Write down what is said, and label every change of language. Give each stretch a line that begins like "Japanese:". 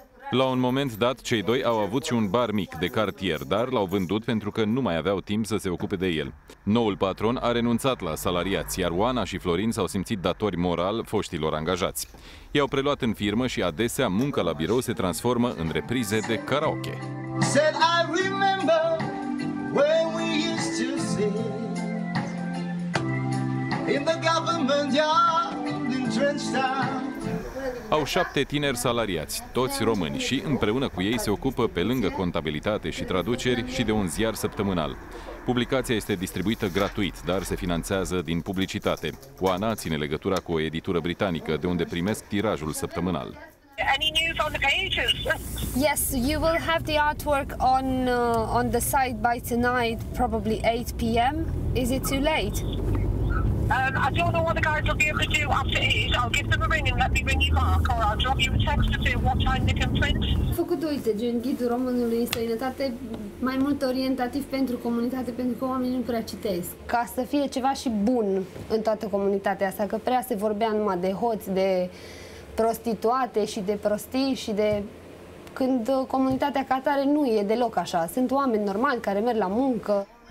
Romanian: La un moment dat, cei doi au avut și un bar mic de cartier, dar l-au vândut pentru că nu mai aveau timp să se ocupe de el. Noul patron a renunțat la salariați, iar Oana și Florin s-au simțit datori moral foștilor angajați. I-au preluat în firmă și adesea munca la birou se transformă în reprize de karaoke.
English: Said I remember where we used to sit in the government yard in Trenchtown.
Romanian: Au 7 tineri salariați, toți români, și împreună cu ei se ocupă, pe lângă contabilitate și traduceri, și de un ziar săptămânal. Publicația este distribuită gratuit, dar se finanțează din publicitate. Oana ține legătura cu o editură britanică, de unde primesc tirajul săptămânal.
English: Any news on the pages? Yes, you will have the artwork on the site by tonight, probably 8 p.m. Is it too late? I don't know what the guys will be able to do after 8. I'll give them a ring and let me ring you back, or I'll drop you a text to say what time they can print.
Romanian: Făcut, uite, gen ghidul românului în străinătate, mai mult orientativ pentru comunitate, pentru că oamenii nu prea citesc. Ca să fie ceva și bun în toată comunitatea asta, că prea se vorbea numai de hoți, de prostituate și de prostii și de... Când comunitatea ca tare nu e deloc așa. Sunt oameni normali care merg la muncă.